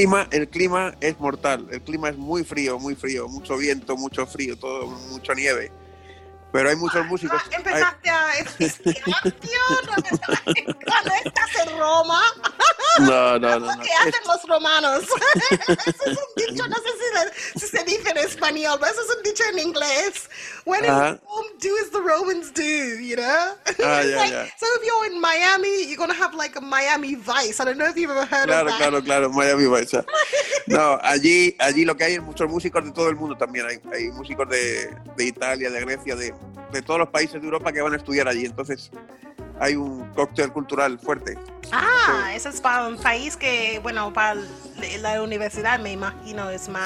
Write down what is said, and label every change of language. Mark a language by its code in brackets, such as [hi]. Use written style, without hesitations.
[es] El clima es mortal, el clima es muy frío, mucho viento, mucho frío, todo, mucha nieve, pero hay muchos músicos. ¿Empezaste hay... a esquiar, tío? ¿Dónde estás en Roma? No. ¿Qué hacen los romanos? Eso es un dicho, no sé si se dice en español, pero eso es un dicho en inglés. [en] When in Rome, do as the Romans do, you know? So if you're in Miami, you're going to have like a Miami Vice. I don't know if you've ever heard [es] claro, [en] of that. [es] Claro, Miami Vice. Yeah. No, allí lo que hay es muchos músicos de todo el mundo también. Hay músicos de Italia, de Grecia, de todos los países de Europa que van a estudiar allí. Entonces, hay un cóctel cultural fuerte. Ah, eso es para un país que, bueno, para la universidad, me imagino, es más